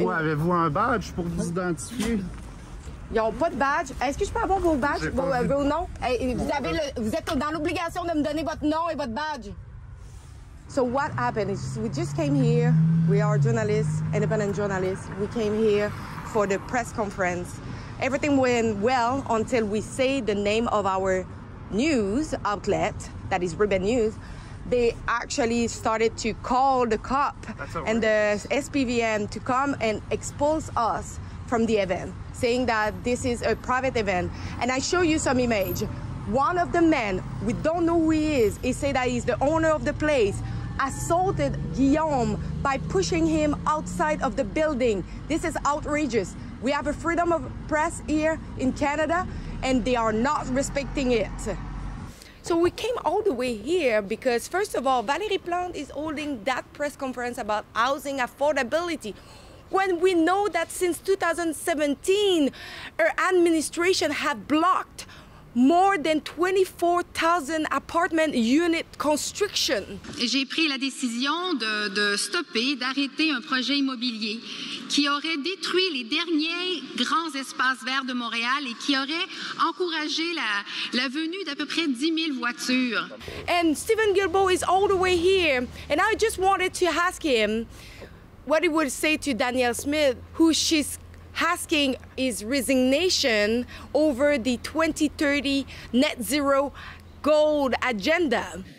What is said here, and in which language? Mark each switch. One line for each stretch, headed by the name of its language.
French: Ouais, avez-vous un badge pour vous identifier? Ils n'ont pas de badge. Est-ce que je peux avoir vos badges, vos noms? Vous êtes dans l'obligation de me donner votre nom et votre badge.
English: So what happened is we just came here. We are journalists, independent journalists. We came here for the press conference. Everything went well until we say the name of our news outlet, that is Urban News. they actually started to call the cop and the SPVM to come and expose us from the event, saying that this is a private event. And I show you some image. One of the men, we don't know who he say that he's the owner of the place, assaulted Guillaume by pushing him outside of the building. This is outrageous. We have a freedom of press here in Canada, and they are not respecting it. So we came all the way here because, first of all, Valérie Plante is holding that press conference about housing affordability, when we know that since 2017, her administration have blocked more than 24,000 apartment unit construction.
French: J'ai pris la décision de stopper, d'arrêter un projet immobilier qui aurait détruit les derniers grands espaces verts de Montréal et qui aurait encouragé la venue d'à peu près 10 000 voitures.
English: And Steven Guilbeault is all the way here, and I just wanted to ask him what he would say to Danielle Smith, who she's asking his resignation over the 2030 net zero goal agenda.